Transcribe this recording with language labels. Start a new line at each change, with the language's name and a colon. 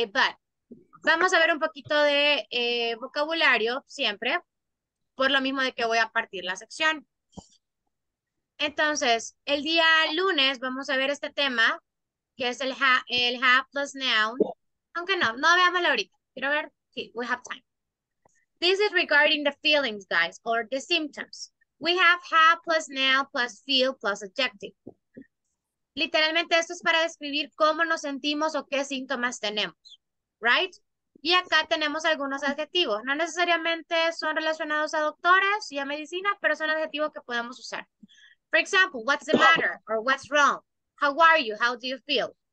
Spanish: But vamos a ver un poquito de vocabulario siempre, por lo mismo de que voy a partir la sección. Entonces, el día lunes vamos a ver este tema, que es el have plus noun. Aunque no, no veámoslo ahorita. Quiero ver, sí,
English: we have time. This is regarding the feelings, guys, or the symptoms. We have plus noun plus feel plus adjective.
Spanish: Literalmente esto es para describir cómo nos sentimos o qué síntomas tenemos, right? Y acá tenemos algunos adjetivos. No necesariamente son relacionados a doctores y a medicina, pero son adjetivos que podemos usar.
English: For example, what's the matter? Or what's wrong? How are you? How do you feel?